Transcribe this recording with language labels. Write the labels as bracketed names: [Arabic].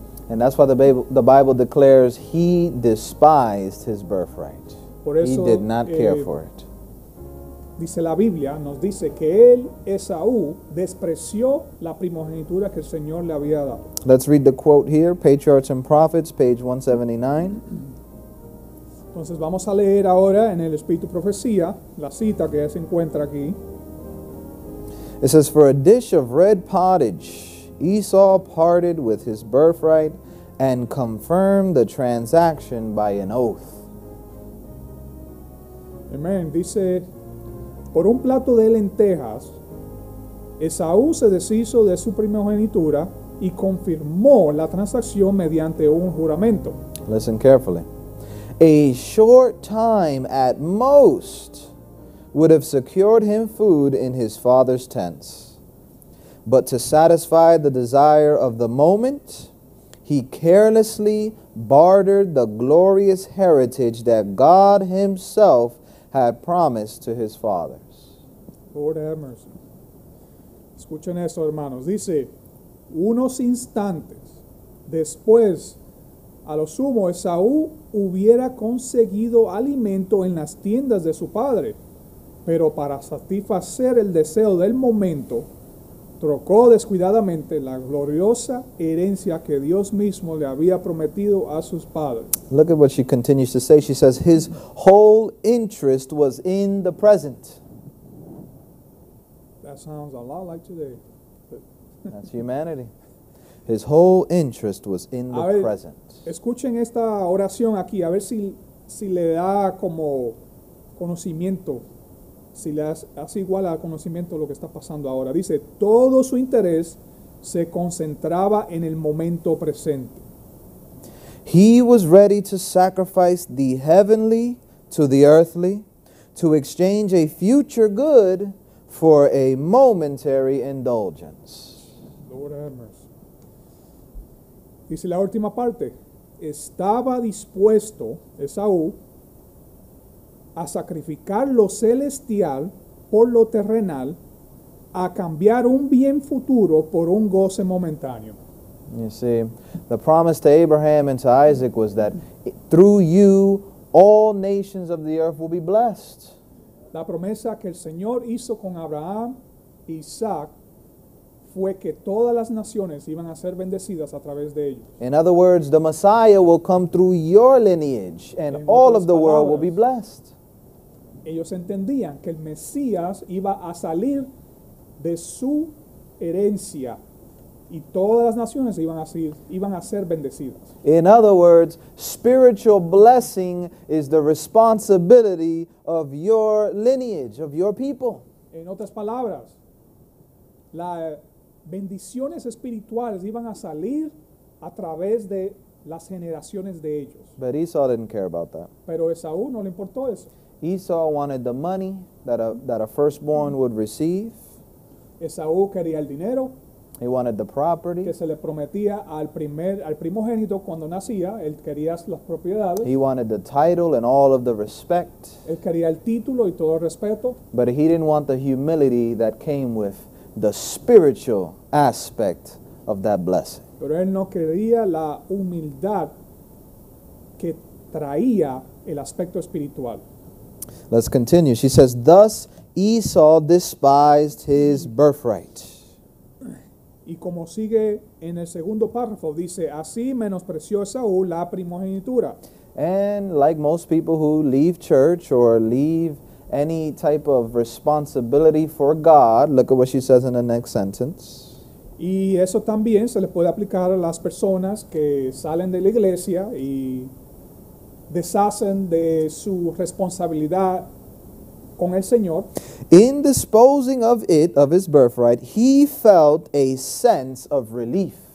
[English] And that's why the Bible declares he despised his birthright. [Spanish] Por eso, [English] he did not care for it. [Spanish] Dice la Biblia, nos dice que él, Esaú, despreció la primogenitura que el Señor le había dado. [English] Let's read the quote here, Patriarchs and Prophets, page 179. [Spanish] Entonces vamos a leer ahora en el Espíritu Profecía, la cita que se encuentra aquí. [English] It says, "For a dish of red pottage, Esau parted with his birthright and confirmed the transaction by an oath." Amen. [Spanish] Dice, "Por un plato de lentejas, Esaú se deshizo de su primogenitura y confirmó la transacción mediante un juramento." [English] Listen carefully. "A short time at most would have secured him food in his father's tents. But to satisfy the desire of the moment, he carelessly bartered the glorious heritage that God himself had promised to his fathers." Lord have mercy. [Spanish] Escuchen esto, hermanos. Dice, "Unos instantes después, a lo sumo, Esaú hubiera conseguido alimento en las tiendas de su padre, pero para satisfacer el deseo del momento, trocó descuidadamente la gloriosa herencia que Dios mismo le había prometido a sus padres." [English] Look at what she continues to say. She says, "His whole interest was in the present." That sounds a lot like today. That's humanity. His whole interest was in the present. [Spanish] Escuchen esta oración aquí, a ver si le da como conocimiento. Si le hace igual al conocimiento lo que está pasando ahora. Dice, "Todo su interés se concentraba en el momento presente." [English] "He was ready to sacrifice the heavenly to the earthly, to exchange a future good for a momentary indulgence." Lord have mercy. [Spanish] Dice la última parte, "Estaba dispuesto Esaú a sacrificar lo celestial por lo terrenal, a cambiar un bien futuro por un goce momentáneo." [English] You see, the promise to Abraham and to Isaac was that through you, all nations of the earth will be blessed. [Spanish] La promesa que el Señor hizo con Abraham y Isaac fue que todas las naciones iban a ser bendecidas a través de ellos. [English] In other words, the Messiah will come through your lineage and all of the world will be blessed. [Spanish] Ellos entendían que el Mesías iba a salir de su herencia y todas las naciones iban a ser bendecidas. [English] In other words, spiritual blessing is the responsibility of your lineage, of your people. [Spanish] En otras palabras, las bendiciones espirituales iban a salir a través de las generaciones de ellos. [English] But Esau didn't care about that. [Spanish] Pero Esaú no le importó eso. [English] Esau wanted the money that a firstborn would receive. [Spanish] Esaú quería el dinero. [English] He wanted the property. [Spanish] Que se le prometía al primogénito cuando nacía. Él quería las propiedades. [English] He wanted the title and all of the respect. [Spanish] Él quería el título y todo el respeto. [English] But he didn't want the humility that came with the spiritual aspect of that blessing. [Spanish] Pero él no quería la humildad que traía el aspecto espiritual. [English] Let's continue. She says, thus Esau despised his birthright. [Spanish] Y como sigue en el segundo párrafo, dice, así menospreció Esaú la primogenitura. [English] And like most people who leave church or leave any type of responsibility for God, look at what she says in the next sentence. [Spanish] Y eso también se le puede aplicar a las personas que salen de la iglesia y deshacen de su responsabilidad con el Señor. [English] In disposing of it, of his birthright, he felt a sense of relief.